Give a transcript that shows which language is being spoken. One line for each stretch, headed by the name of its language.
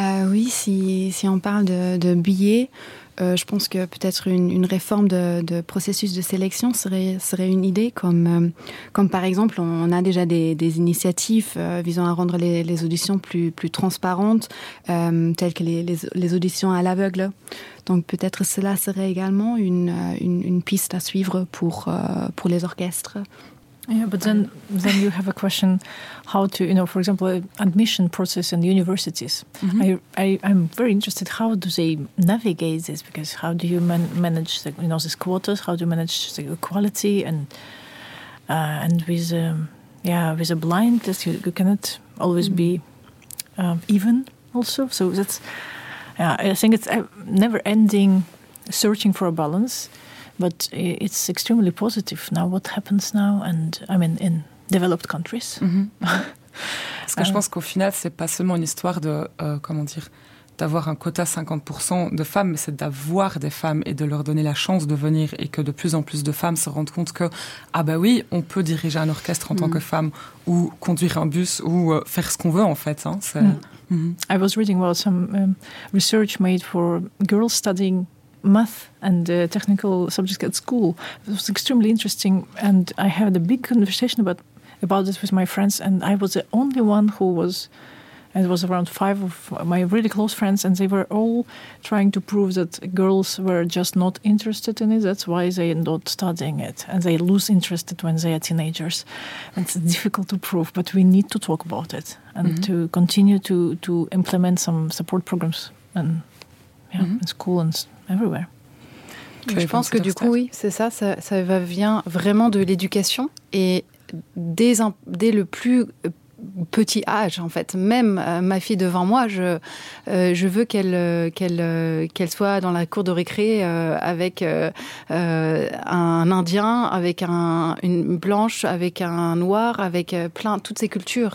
French: Oui, si on parle de billets, je pense que peut-être une réforme de processus de sélection serait une idée, comme par exemple, on a déjà des initiatives visant à rendre les auditions plus transparentes, telles que les auditions à l'aveugle. Donc peut-être cela serait également une piste à suivre pour les orchestres.
English: Yeah, but then you have a question, how to, you know, for example, admission process in universities. Mm-hmm. I'm very interested, how do they navigate this? Because how do you manage the, you know, these quotas? How do you manage the equality and with with a blindness, you cannot always mm-hmm. be even also. So that's, I think it's a never-ending searching for a balance. But it's extremely positive now, what happens now, and I mean, in developed countries. Mm-hmm.
French: Parce que je pense qu'au final, c'est pas seulement une histoire de, comment dire, d'avoir un quota 50% de femmes, mais c'est d'avoir des femmes et de leur donner la chance de venir, et que de plus en plus de femmes se rendent compte que, ah ben oui, on peut diriger un orchestre en tant que femme, ou conduire un bus, ou faire ce qu'on veut, en fait. Hein, c'est...
English: I was reading about some research made for girls studying math and technical subjects at school. It was extremely interesting, and I had a big conversation about this with my friends, and I was the only one who was, and it was around five of my really close friends, and they were all trying to prove that girls were just not interested in it, that's why they end up studying it, and they lose interest when they are teenagers. It's difficult to prove, but we need to talk about it and mm-hmm. to continue to implement some support programs and mm-hmm. in school and everywhere.
French: Je pense que du coup, oui, c'est ça, ça vient vraiment de l'éducation et dès le plus petit âge, en fait. Même ma fille devant moi, je veux qu'elle soit dans la cour de récré avec un Indien, avec une blanche, avec un noir, avec plein, toutes ces cultures.